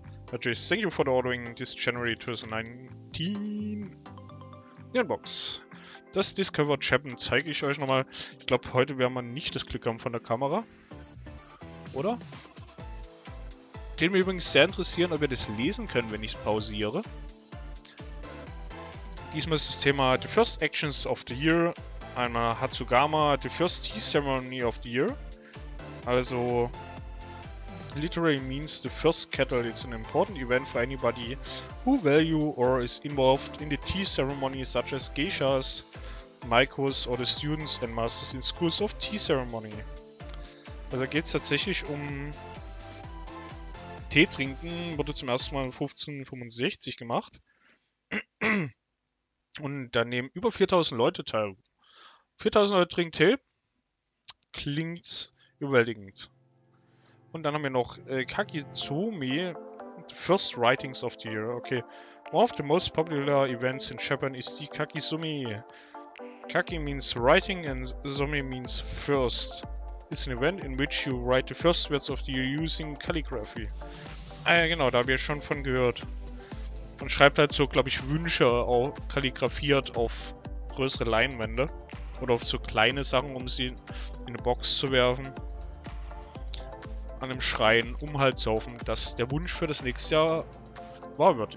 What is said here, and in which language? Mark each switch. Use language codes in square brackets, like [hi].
[de] Natürlich, [en] thank you for the ordering this January 2019. [de] Nierenbox. Das Discover Champion zeige ich euch nochmal. Ich glaube, heute werden wir nicht das Glück haben von der Kamera. Oder? Den mich übrigens sehr interessieren, ob wir das lesen können, wenn ich es pausiere. Diesmal ist das Thema [en] The First Actions of the Year. [de] Einmal [en] Hatsugama, The First Tea Ceremony of the Year. Also, literally means the first kettle. It's an important event for anybody who value or is involved in the tea ceremony, such as geishas, maikos or the students and masters in schools of tea ceremony. [de] Also geht es tatsächlich um Tee trinken, wurde zum ersten Mal 1565 gemacht. Und da nehmen über 4000 Leute teil. 4000 Leute trinken Tee. Klingt überwältigend. Und dann haben wir noch Kagizumi, [en] the First Writings of the Year. [de] Okay. [en] One of the most popular events in Japan is the Kagizumi. Kagi means writing and Zumi means first. It's an event in which you write the first words of the year using calligraphy. [de] Ah ja, genau, da habe ich schon von gehört. Man schreibt halt so, glaube ich, Wünsche auch kalligrafiert auf größere Leinwände. Oder auf so kleine Sachen, um sie in eine Box zu werfen. An einem Schrein, um halt zu hoffen, dass der Wunsch für das nächste Jahr wahr wird.